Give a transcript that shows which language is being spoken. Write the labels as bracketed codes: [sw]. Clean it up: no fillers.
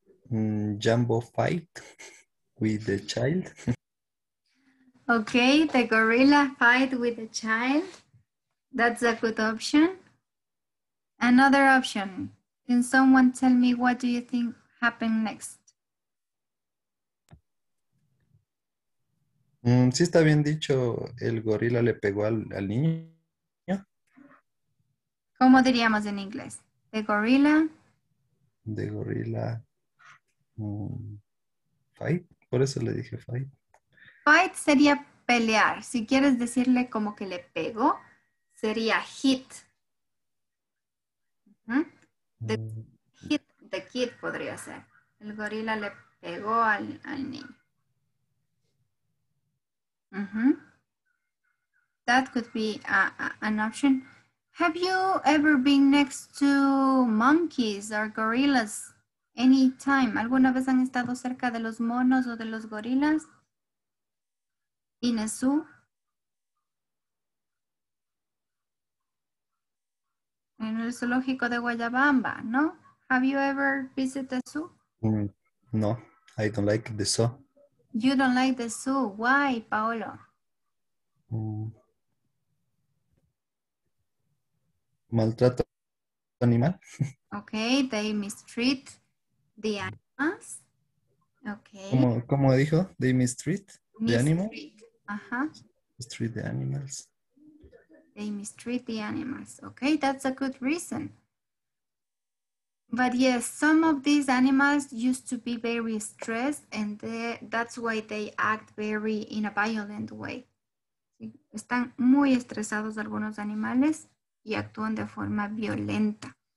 [en] Jumbo fight with the child. Okay, the gorilla fight with the child. That's a good option. Another option. Can someone tell me what do you think happened next? [es] Sí está bien dicho, el gorila le pegó al niño. ¿Cómo diríamos en inglés? [en] The gorilla. The gorilla. [es] Fight, por eso le dije fight. Fight sería pelear. Si quieres decirle como que le pegó, sería hit. [en] Hit the kid [es] podría ser. El gorila le pegó al niño. [en] That could be an option. Have you ever been next to monkeys or gorillas? Anytime. [es] ¿Alguna vez han estado cerca de los monos o de los gorilas? Inesu. En el zoológico de Guayabamba, ¿no? [en] Have you ever visited a zoo? No, I don't like the zoo. You don't like the zoo. Why, Paolo? [es] Maltrato animal. [en] Okay, they mistreat the animals. Okay. [es] ¿Cómo dijo? [en] They mistreat the animals. Mistreat the animals. They mistreat the animals. Okay, that's a good reason. But yes, some of these animals used to be very stressed, and that's why they act very in a violent way. [es] Están muy estresados algunos animales y actúan de forma violenta.